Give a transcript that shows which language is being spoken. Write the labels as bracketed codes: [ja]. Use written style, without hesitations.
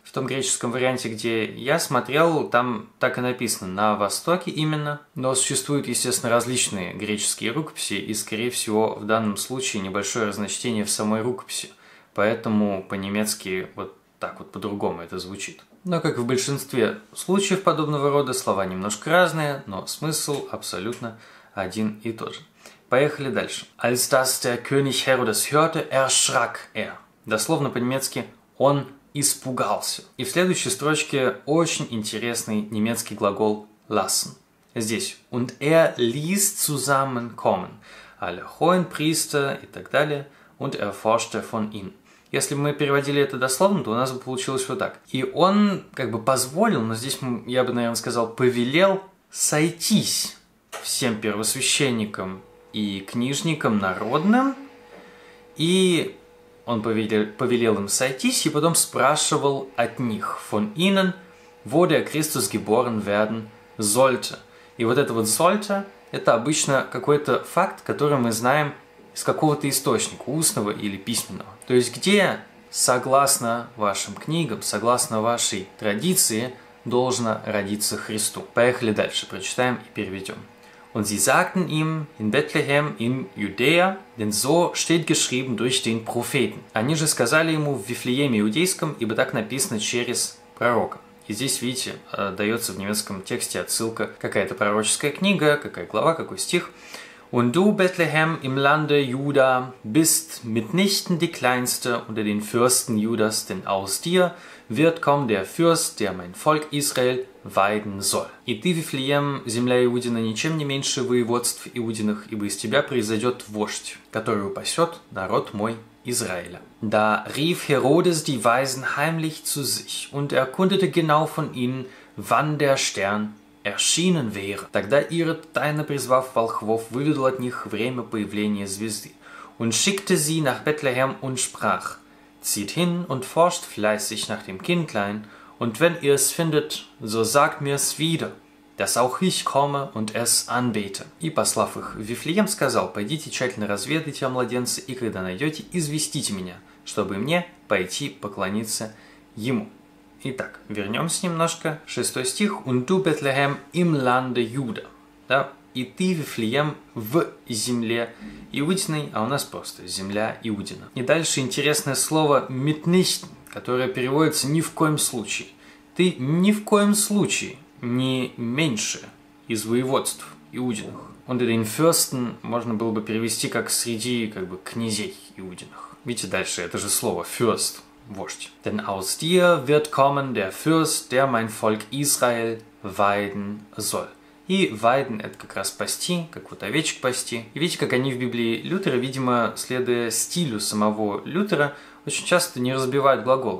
[ru] В том греческом варианте, где я смотрел, там так и написано «на востоке» именно, но существуют, естественно, различные греческие рукописи, и, скорее всего, в данном случае небольшое разночтение в самой рукописи. Поэтому по-немецки вот так вот по-другому это звучит. Но, как в большинстве случаев подобного рода, слова немножко разные, но смысл абсолютно один и тот же. Поехали дальше. [de] «Als das der König Herodes hörte, erschrak er». [ru] Дословно по-немецки «он испугался». И в следующей строчке очень интересный немецкий глагол «lassen». Здесь [de] «und er ließ zusammenkommen alle hohen Priester» [ru] и так далее [de] «und er forschte von ihnen». [ru] Если бы мы переводили это дословно, то у нас бы получилось вот так. И он как бы позволил, но здесь я бы, наверное, сказал, повелел сойтись всем первосвященникам и книжникам народным. И он повелел им сойтись и потом спрашивал от них, [de] von ihnen, wo der Christus geboren werden sollte. [ru] И вот это вот sollte, это обычно какой-то факт, который мы знаем из какого-то источника, устного или письменного. То есть, где, согласно вашим книгам, согласно вашей традиции, должно родиться Христу. Поехали дальше, прочитаем и переведем. [de] Und sie sagten ihm in Bethlehem in Judäa, denn so steht geschrieben durch den Propheten. [ru] Они же сказали ему в Вифлееме иудейском, ибо так написано через пророка. И здесь, видите, дается в немецком тексте отсылка, какая-то пророческая книга, какая глава, какой стих. [de] Und du, Bethlehem, im Lande Juda, bist mitnichten die Kleinste unter den Fürsten Judas, denn aus dir wird kommen der Fürst, der mein Volk Israel weiden soll. [ru] И ты, Вифлеем, земля Иудина, ничем не меньше воеводств Иудиных, ибо из тебя произойдет вождь, который упасет народ мой Израиля. [de] Da rief Herodes die Weisen heimlich zu sich und erkundete genau von ihnen, wann der Stern erschienen wäre. [ru] Тогда Ирод, тайно призвав волхвов, выведал от них время появления звезды. [de] Und schickte sie nach Bethlehem und sprach, zieht hin und forscht fleißig nach dem Kindlein, und wenn ihr es findet, so sagt mir's wieder, dass auch ich komme und es anbete. [ru] И послав их в Вифлеем, сказал, пойдите тщательно разведайте о младенце, и когда найдете, известите меня, чтобы мне пойти поклониться ему. Итак, вернемся немножко. Шестой стих. [de] Und du, Bethlehem, im Lande Juda. [ru] Да? И ты, Вифлеем, в земле Иудиной, а у нас просто земля Иудина. И дальше интересное слово «mitnichten», которое переводится «ни в коем случае». Ты ни в коем случае не меньше из воеводств Иудиных. [de] Und den Fürsten [ru] можно было бы перевести как «среди как бы, князей Иудиных». Видите, дальше это же слово «фюрст». Вождь. [de] Denn aus dir wird kommen der Fürst, der mein Volk Israel weiden soll. [ru] И weiden – это как раз пасти, как вот овечек пасти. И видите, как они в Библии Лютера, видимо, следуя стилю самого Лютера, очень часто не разбивают глагол.